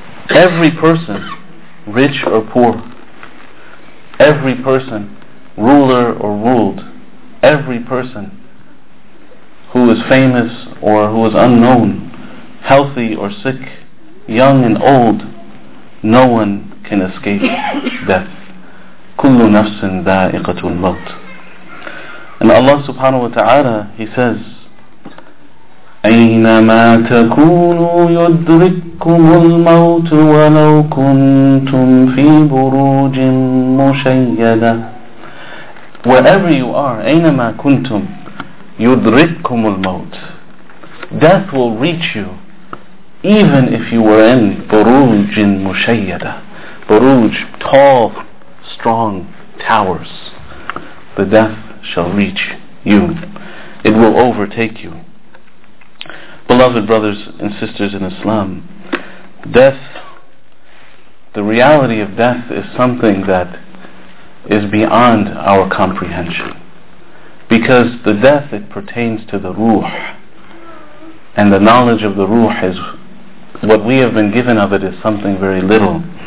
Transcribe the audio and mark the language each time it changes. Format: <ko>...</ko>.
<en>Every person, rich or poor, every person, ruler or ruled, every person who is famous or who is unknown, healthy or sick, young and old, no one can escape death.</en> <ar>كُلُّ نَفْسٍ ذَائِقَةُ الْمَوْتِ.</ar> <en>And Allah subhanahu wa ta'ala, He says,</en> <ar>أَيْنَمَا تَكُونُوا يُدْرِكُمُ الْمَوْتُ وَلَوْ كُنْتُمْ فِي بُرُوجٍ مُشَيَّدَةٍ.</ar> <en>Wherever you are,</en> <ar>أَيْنَمَا كُنْتُمْ يُدْرِكُمُ الْمَوْتِ.</ar> <en>Death will reach you even if you were in burujin mushayyada, buruj, tall, strong towers, the death shall reach you. it will overtake you. Beloved brothers and sisters in Islam, death, the reality of death is something that is beyond our comprehension, because the death, it pertains to the ruh, and the knowledge of the ruh is what we have been given of it, is something very little.</en>